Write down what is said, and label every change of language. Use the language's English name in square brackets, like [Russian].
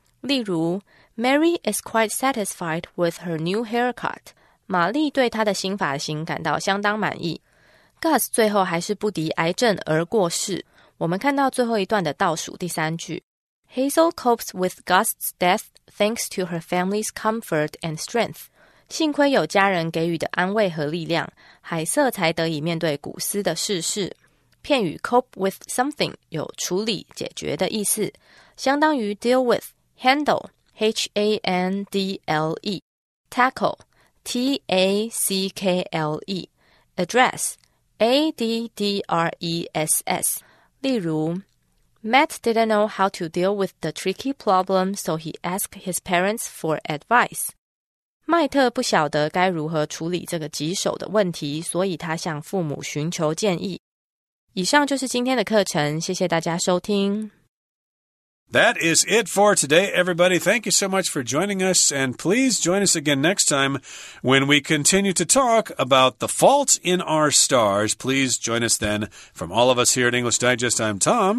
[Chinese] 例如 [English] Mary is quite satisfied with her new haircut. [Chinese] 玛丽对她的新发型感到相当满意。Gus 最后还是不敌癌症而过世。我们看到最后一段的倒数第三句。 [English] Hazel copes with Gus's death thanks to her family's comfort and strength. [Chinese] 幸亏有家人给予的安慰和力量，海瑟才得以面对古斯的逝世。片语 cope with something 有处理、解决的意思，相当于 deal with, handle, H-A-N-D-L-E, tackle, T-A-C-K-L-E, address, A-D-D-R-E-S-S. 例如 [English] Matt didn't know how to deal with the tricky problem, so he asked his parents for advice. [Chinese] 麦特不晓得该如何处理这个棘手的问题，所以他向父母寻求建议。以上就是今天的课程，谢谢大家收听。 [English] That is it for today, everybody. Thank you so much for joining us, and please join us again next time when we continue to talk about the fault in our stars. Please join us then. From all of us here at English Digest, I'm Tom.